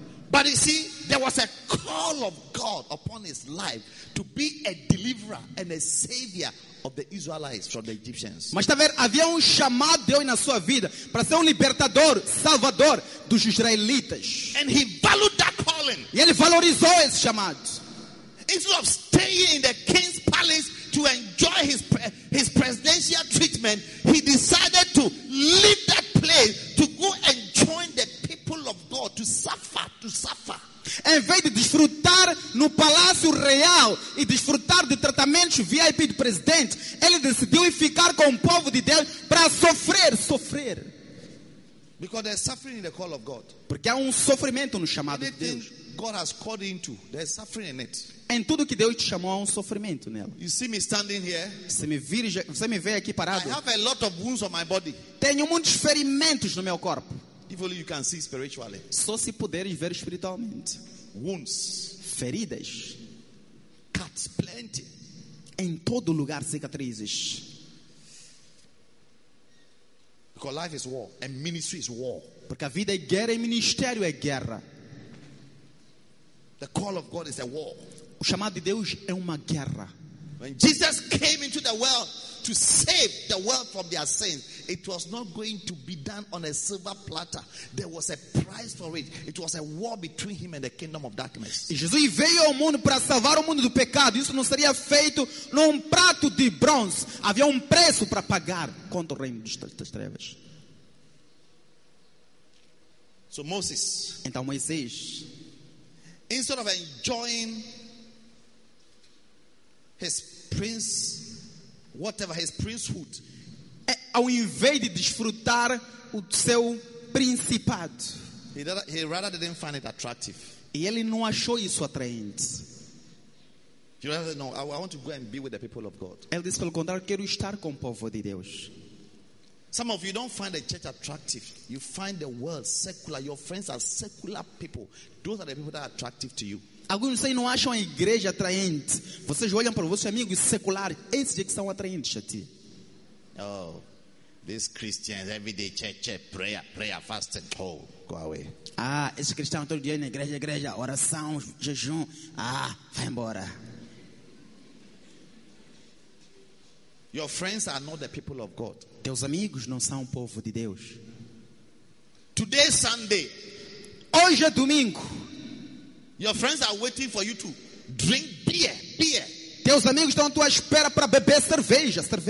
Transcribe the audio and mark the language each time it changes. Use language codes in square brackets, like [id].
[en] But you see, there was a call of God upon his life to be a deliverer and a savior of the Israelites from the Egyptians. [pt] Mas está a ver, havia chamado Deus na sua vida para ser libertador, salvador dos israelitas. [en] And he valued that calling. [pt] E ele valorizou esse chamado. [en] Instead of staying in the king's palace to enjoy his presidential treatment, he decided to leave that place to go and join the people of God to suffer. [pt] Em vez de desfrutar no palácio real e desfrutar de tratamentos VIP do presidente, ele decidiu ficar com o povo de Deus para sofrer. [en] Because there's suffering in the call of God. [pt] Porque há sofrimento no chamado de Deus. [en] God has called into, there's suffering in it. [pt] Em tudo que Deus te chamou há sofrimento nela. [en] You see me standing here? [pt] Você me vê aqui parado? [en] I have a lot of wounds on my body. [pt] Tenho muitos ferimentos no meu corpo. [en] If only you can see spiritually. [pt] Só se puderes ver espiritualmente. [en] Wounds, [pt] feridas. [en] Cuts, plenty. [pt] Em todo lugar cicatrizes. [en] Because life is war and ministry is war. [pt] Porque a vida é guerra e ministério é guerra. [en] The call of God is a war. [pt] O chamado de Deus é uma guerra. [en] When Jesus came into the world to save the world from their sins, it was not going to be done on a silver platter. There was a price for it. It was a war between him and the kingdom of darkness. [pt] E Jesus veio ao mundo para salvar o mundo do pecado. Isso não seria feito num prato de bronze. Havia preço para pagar contra o reino das trevas. [en] So Moses, [pt] então Moisés, [en] instead of enjoying his princehood, [pt] ao invés de desfrutar o seu principado, [en] he rather didn't find it attractive. [pt] E ele não achou isso atraente. [en] He rather no, I want to go and be with the people of God. [pt] Ele disse pelo contrário, quero estar com o povo de Deus. [en] Some of you don't find the church attractive. You find the world secular. Your friends are secular people. Those are the people that are attractive to you. [pt] Alguns de vocês não acham a igreja atraente. Vocês olham para os vossos amigos seculares. Esses é que são atraentes a ti. [en] Oh, these Christians, every day church, prayer, fast and pray. Go away. [pt] Ah, esses cristãos todo dia na igreja, oração, jejum. Ah, vai embora. [en] Your friends are not the people of God. [pt] Teus amigos não são o povo de Deus. [en] Today Sunday. [pt] Hoje é domingo. [en] Your friends are waiting for you to drink beer. [pt] Teus amigos estão à tua espera para beber cerveja.